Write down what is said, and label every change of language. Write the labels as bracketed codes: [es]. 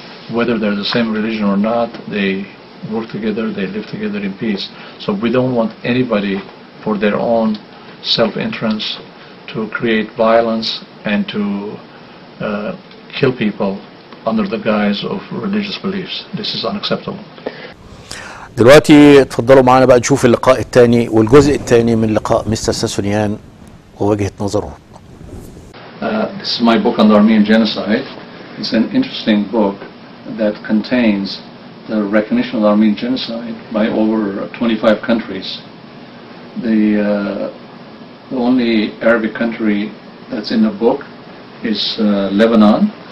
[en] Whether they're the same religion or not, they work together, they live together in peace. So we don't want anybody, for their own self-interest, to create violence and to kill people under the guise of religious beliefs. This is unacceptable. [ar] دلوقتي اتفضلوا معنا بقى نشوف اللقاء الثاني والجزء الثاني من لقاء مستر ساسونيان ووجهة نظره. [en] This is my book on the Armenian genocide. It's an interesting book. that contains the recognition of Armenian genocide by over 25 countries. The only Arabic country that's in the book is Lebanon.